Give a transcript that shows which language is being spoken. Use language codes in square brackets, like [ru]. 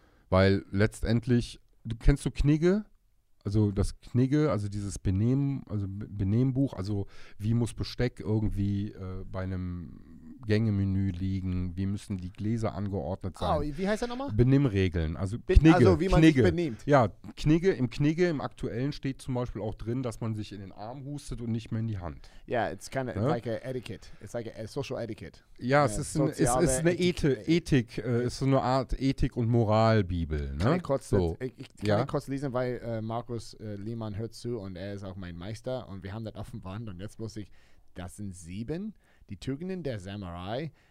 [de] Weil letztendlich, kennst du Knigge? Also das Knigge, also dieses Benehmen, also Benehmenbuch, also wie muss Besteck irgendwie bei einem Gängemenü liegen, wie müssen die Gläser angeordnet sein. Oh, wie heißt er nochmal? Benimmregeln, also Knigge. Also wie man Knigge. Sich benehmt. Ja, Knigge, im Knigge, im Aktuellen steht zum Beispiel auch drin, dass man sich in den Arm hustet und nicht mehr in die Hand. [en] Yeah, it's kind of, ja, it's like a etiquette, it's like a social etiquette. [de] Ja, es ist, ein, es ist eine Ethik, es ist so eine Art Ethik- und Moralbibel. Ne? Kann ich kurz, so. Ich kann kurz lesen, weil Markus Lehmann hört zu und er ist auch mein Meister und wir haben das auf dem Band und jetzt muss ich, das sind sieben die Tugenden der Samurai.